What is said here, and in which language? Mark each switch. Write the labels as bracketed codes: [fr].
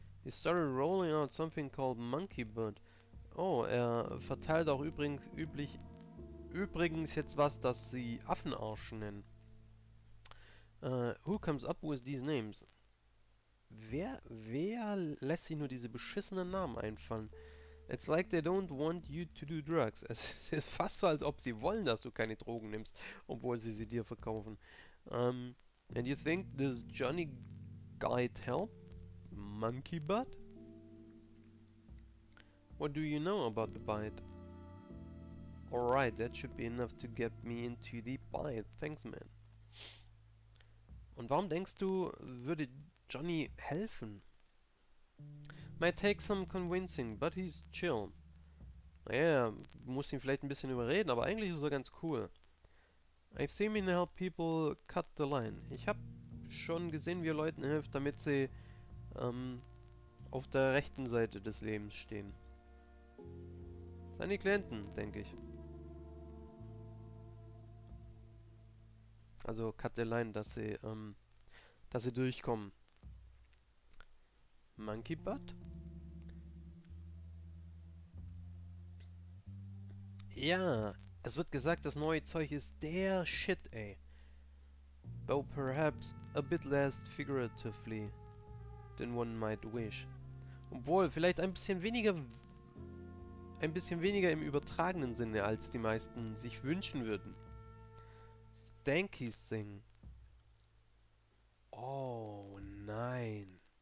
[en] He started rolling out something called Monkey Butt. [de] Oh, er verteilt auch übrigens jetzt was, das sie Affenarsch nennen. [en] Who comes up with these names? [de] Wer lässt sich nur diese beschissenen Namen einfallen? [en] It's like they don't want you to do drugs. [de] Es ist fast so, als ob sie wollen, dass du keine Drogen nimmst, obwohl sie dir verkaufen. [en] And you think this Johnny guy'd help? Monkey butt? What do you know about the bite? Alright, that should be enough to get me into the bite. Thanks, man. [de] Und warum denkst du, würde Johnny helfen? [en] Might take some convincing, but he's chill. [de] Naja, muss ihn vielleicht ein bisschen überreden, aber eigentlich ist er ganz cool. [en] I've seen him help people cut the line. [de] Ich habe schon gesehen, wie er Leuten hilft, damit sie auf der rechten Seite des Lebens stehen. Seine Klienten, denke ich. Also [en] cut the line, [de] dass sie durchkommen. [en] Monkey Butt? [de] Ja, es wird gesagt, das neue Zeug ist der Shit, ey. [en] Though perhaps a bit less figuratively than one might wish. [de] Obwohl, vielleicht ein bisschen weniger im übertragenen Sinne, als die meisten sich wünschen würden. Stanky Sing. Oh nein.